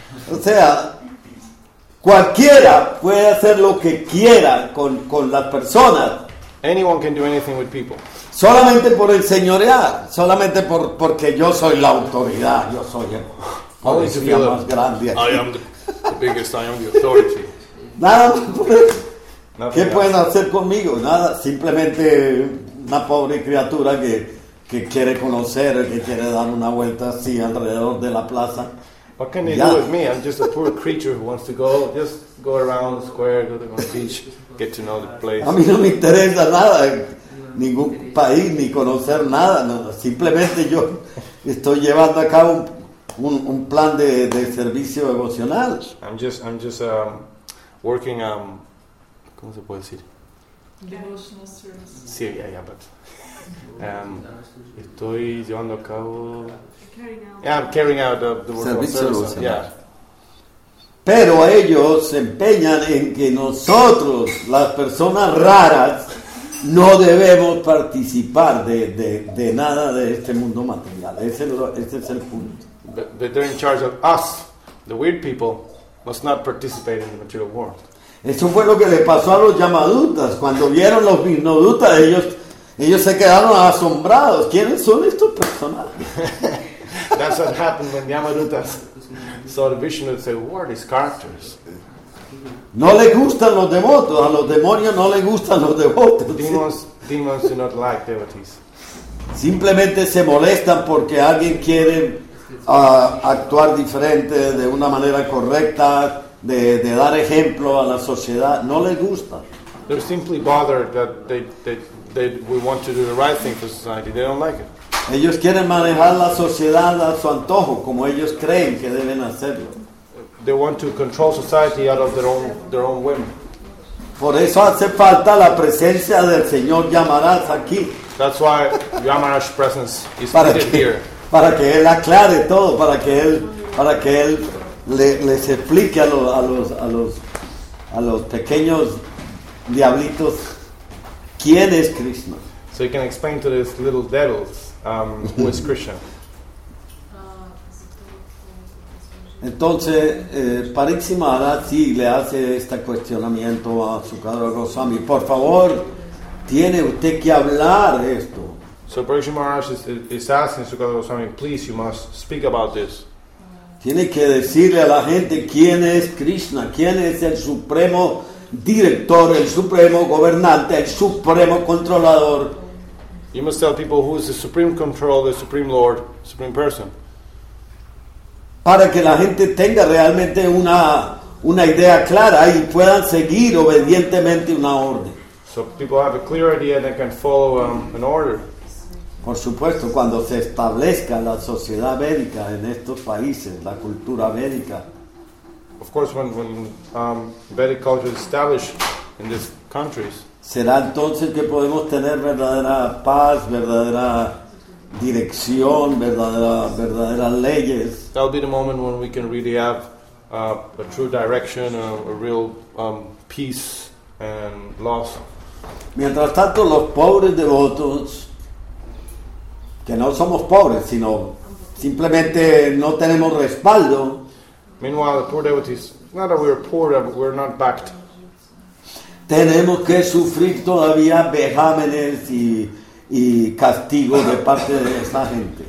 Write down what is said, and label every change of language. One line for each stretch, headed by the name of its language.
Spanish: O sea, cualquiera puede hacer lo que quiera con las personas.
English: Anyone can do anything with people.
Spanish: solamente por el señorear, solamente por porque yo soy la autoridad, yo soy el policía más grande.
English: I am the biggest, I am the authority.
Spanish: Nada más por eso. ¿Qué pueden hacer conmigo? Nada, simplemente una pobre criatura que quiere conocer, que quiere dar una vuelta así alrededor de la plaza.
English: What can they do with me? I'm just a poor creature who wants to go, just go around the square, go to the beach, get to know the place.
Spanish: A mí no me interesa nada, ningún país, ni conocer nada. No, simplemente yo estoy llevando a cabo un plan de servicio emocional.
English: I'm just working,
Spanish: ¿cómo se puede decir?
English: Devotional service.
Spanish: Sí,
English: yeah, but...
Spanish: estoy llevando a cabo...
English: I'm carrying out the work
Spanish: servicio
English: of service. Yeah.
Spanish: Pero ellos se empeñan en que nosotros, las personas raras, no debemos participar de nada de este mundo material. Ese es el punto.
English: But they're in charge of us. The weird people must not participate in the material world.
Spanish: Eso fue lo que le pasó a los Yamadutas. Cuando vieron los Vishnodutas, ellos se quedaron asombrados. ¿Quiénes son estos personajes?
English: That's what happened when Yamadutas saw the Vishnu and said, what are these characters?
Spanish: No les gustan los devotos. A los demonios no les gustan los devotos.
English: Demons do not like devotees.
Spanish: Simplemente se molestan porque alguien quiere actuar diferente, de una manera correcta, de dar ejemplo a la sociedad. No les gusta.
English: They're simply bothered that we want to do the right thing for society. They don't like it.
Spanish: Ellos quieren manejar la sociedad a su antojo, como ellos creen que deben hacerlo.
English: They want to control society out of their own whim.
Spanish: Por eso hace falta la presencia del señor Yamaraj aquí.
English: That's why Yamaraj's presence is needed here.
Spanish: Para que él aclare todo, para que él les explique a los pequeños diablitos quién es Krishna.
English: So you can explain to these little devils who is Krishna.
Spanish: Entonces, Pariksit Maharaj sí le hace este cuestionamiento a Sukadeva Goswami. Por favor, tiene usted que hablar esto.
English: So Pariksit Maharaj is asking Sukadeva Goswami, please, you must speak about this.
Spanish: Tiene que decirle a la gente quién es Krishna, quién es el supremo director, el supremo gobernante, el supremo controlador.
English: You must tell people who is the supreme control, the supreme lord, supreme person.
Spanish: Para que la gente tenga realmente una idea clara y puedan seguir obedientemente una orden.
English: So people have a clear idea and they can follow an order.
Spanish: Por supuesto, cuando se establezca la sociedad védica en estos países, la cultura védica.
English: Of course, when Vedic culture is established in these countries.
Spanish: Será entonces que podemos tener verdadera paz, verdadera dirección, verdaderas leyes.
English: That'll be the moment when we can really have a true direction, a real peace and laws.
Spanish: Mientras tanto, los pobres devotos, que no somos pobres, sino simplemente no tenemos respaldo.
English: Meanwhile, the poor devotees, not that we're poor, but we're not backed.
Spanish: Tenemos que sufrir todavía vejámenes y castigo de parte de esa gente.